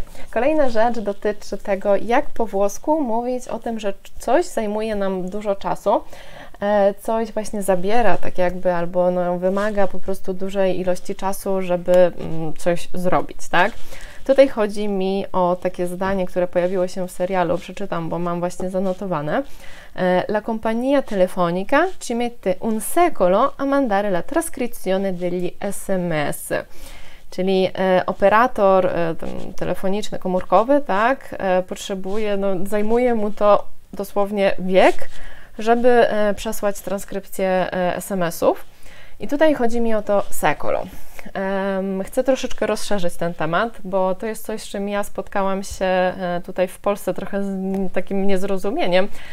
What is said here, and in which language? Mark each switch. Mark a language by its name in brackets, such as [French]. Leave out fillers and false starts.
[Polish] Kolejna rzecz dotyczy tego, jak po włosku mówić o tym, że coś zajmuje nam dużo czasu, coś właśnie zabiera tak jakby, albo no, wymaga po prostu dużej ilości czasu, żeby coś zrobić, tak? Tutaj chodzi mi o takie zdanie, które pojawiło się w serialu, przeczytam, bo mam właśnie zanotowane. [Italian] La compagnia telefonica ci mette un secolo a mandare la trascrizione degli SMS. [Polish] Czyli operator telefoniczny, komórkowy, tak, potrzebuje, no, zajmuje mu to dosłownie wiek, żeby przesłać transkrypcję SMS-ów. I tutaj chodzi mi o to secolo. Chcę troszeczkę rozszerzyć ten temat, bo to jest coś, z czym ja spotkałam się tutaj w Polsce trochę z takim niezrozumieniem.